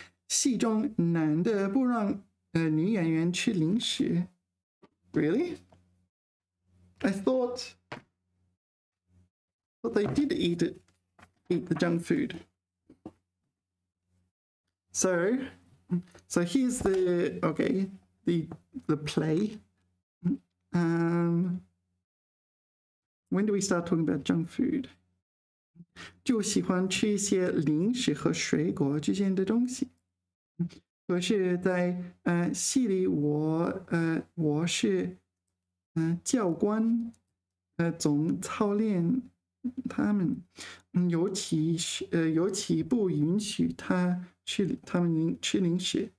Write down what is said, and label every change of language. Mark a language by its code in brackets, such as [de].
[zh] 戏中男的不让女演员吃零食。 [en] Really? I thought they did eat the junk food. So here's the play. When do we start talking about junk food? [zh] 就喜欢吃一些零食和水果之间的东西。可是在戏里我是教官总操练他们尤其不允许他们吃零食。